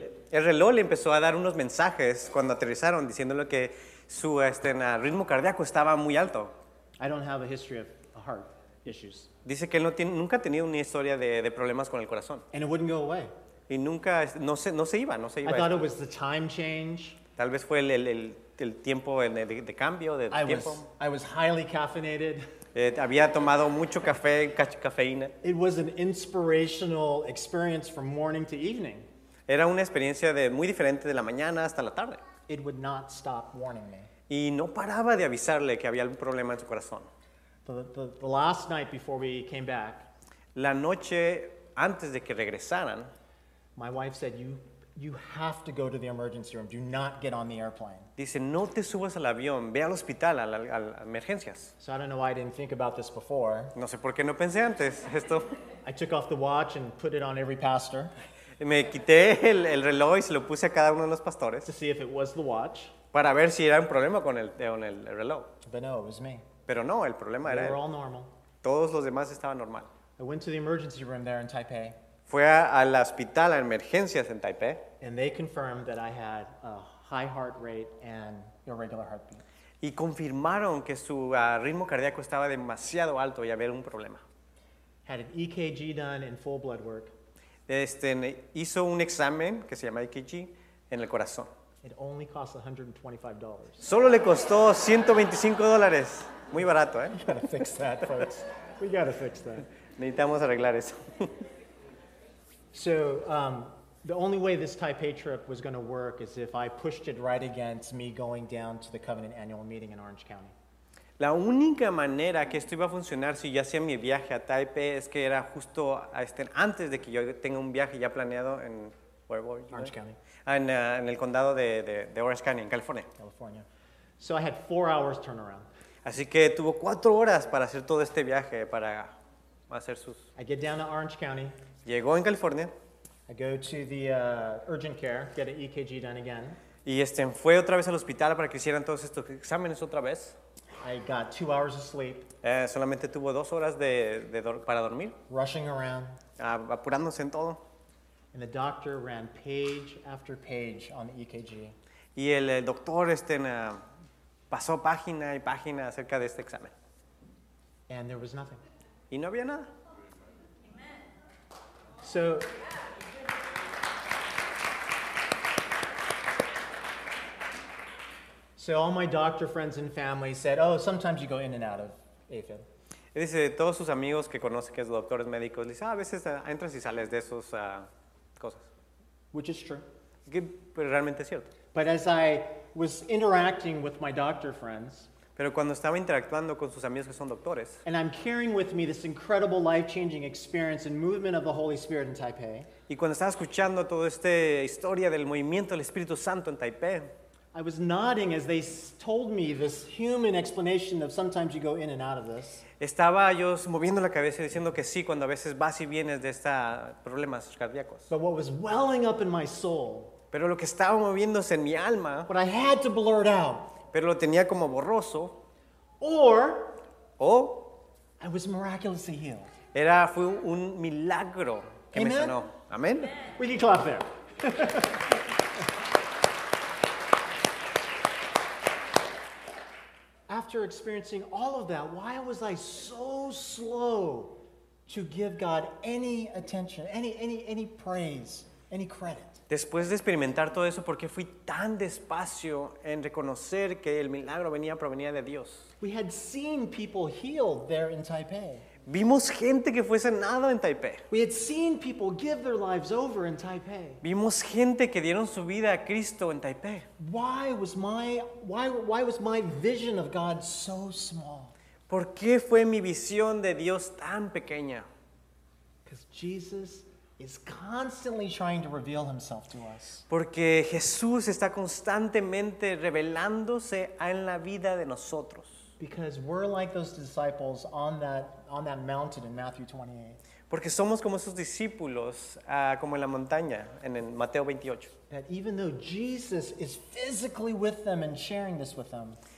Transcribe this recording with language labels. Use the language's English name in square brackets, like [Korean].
[Spanish] El reloj le empezó a dar unos mensajes cuando aterrizaron diciéndole que su ritmo cardíaco estaba muy alto. [English] I don't have a history of heart issues. [Spanish] Dice que él nunca ha tenido una historia de problemas con el corazón. [English] And it wouldn't go away. [Spanish] Y nunca, no se iba. [English] I thought it was the time change. [Spanish] Tal vez fue el tiempo de cambio, de tiempo. [English] I was highly caffeinated. [Spanish] Había tomado mucho café, cafeína. [English] It was an inspirational experience from morning to evening. [Spanish] Era una experiencia muy diferente de la mañana hasta la tarde. [English] It would not stop warning me. [Spanish] Y no paraba de avisarle que había algún problema en su corazón. [English] The last night before we came back, [Spanish] la noche antes de que regresaran, [English] my wife said, you have to go to the emergency room. Do not get on the airplane. [Spanish] Dice, no te subas al avión. Ve al hospital, a emergencias. [English] So I don't know why I didn't think about this before. [Spanish] No sé por qué no pensé antes esto. [English] I took off the watch and put it on every pastor. [Spanish] Y me quité el reloj y se lo puse a cada uno de los pastores. [English] To see if it was the watch. [Spanish] Para ver si era un problema con el reloj. [English] But no, it was me. [Spanish] Pero no, el problema era él. [English] We were all normal. [Spanish] Todos los demás estaban normal. [English] I went to the emergency room there in Taipei. [Spanish] Fue al hospital, a emergencias en Taipei. [English] And they confirmed that I had a high heart rate and irregular heartbeat. [Spanish] Y confirmaron que su ritmo cardíaco estaba demasiado alto y había un problema. [English] Had an EKG done and full blood work. [Spanish] Hizo un examen que se llama EKG en el corazón. [English] It only cost $125. [Spanish] Solo le costó $125. Muy barato, ¿eh? [English] We gotta fix that, folks. We gotta fix that. [Spanish] Necesitamos arreglar eso. [English] So, the only way this Taipei trip was going to work is if I pushed it right against me going down to the Covenant annual meeting in Orange County. [Spanish] La única manera que esto iba a funcionar si ya hacía mi viaje a Taipei es que era justo antes de que yo tenga un viaje ya planeado en [English] Orange County. [Spanish] En el condado de Orange County, en California. [English] California. So I had 4 hours turnaround. [Spanish] Así que tuvo 4 horas para hacer todo este viaje, para hacer sus... [English] I get down to Orange County. [Spanish] Llegó en California. [English] I go to the urgent care, get an EKG done again. [Spanish] Y fue otra vez al hospital para que hicieran todos estos exámenes otra vez. [English] I got 2 hours of sleep. [Spanish] Solamente tuvo 2 horas para dormir. [English] Rushing around. [Spanish] Apurándose en todo. [English] And the doctor ran page after page on the EKG. [Spanish] Y el doctor pasó página y página acerca de este examen. [English] And there was nothing. [Spanish] Y no había nada. [English] Amen. So, yeah. So all my doctor friends and family said, oh, sometimes you go in and out of AFib. [Spanish] Y dice, todos sus amigos que conocen que es doctores médicos, dice, a veces entras y sales de esos... cosas. [English] Which is true. [Spanish] Que realmente es cierto. [English] But as I was interacting with my doctor friends, [Spanish] pero cuando estaba interactuando con sus amigos que son doctores, [English] and I'm carrying with me this incredible life-changing experience and movement of the Holy Spirit in Taipei, [Spanish] y cuando estaba escuchando toda esta historia del movimiento del Espíritu Santo en Taipei, [English] I was nodding as they told me this human explanation of sometimes you go in and out of this. [Spanish] Estaba yo moviendo la cabeza diciendo que sí cuando a veces vas y vienes de estos problemas cardíacos. [English] But what was welling up in my soul, [Spanish] pero lo que estaba moviéndose en mi alma, [English] what I had to blurt out, [Spanish] pero lo tenía como borroso, [English] or oh, I was miraculously healed. [Spanish] Era fue un milagro que [English] Amen. [Spanish] Me sanó. Amen. [English] We can clap there. After experiencing all of that, why was I so slow to give God any attention, any praise, any credit? [Spanish] Después de experimentar todo eso, ¿por qué fui tan despacio en reconocer que el milagro provenía de Dios? [English] We had seen people healed there in Taipei. [Spanish] Vimos gente que fue sanado en Taipei. [English] We had seen people give their lives over in Taipei. [Spanish] Vimos gente que dieron su vida a Cristo en Taipei. [English] Why was my vision of God so small? [Spanish] ¿Por qué fue mi visión de Dios tan pequeña? [English] Because Jesus is constantly trying to reveal himself to us. [Spanish] Porque Jesús está constantemente revelándose en la vida de nosotros. [English] Because we're like those disciples on that mountain in Matthew 28. [Spanish] Porque somos como esos discípulos como en la montaña en Mateo 28. [English] That even though Jesus is physically with them and sharing this with them.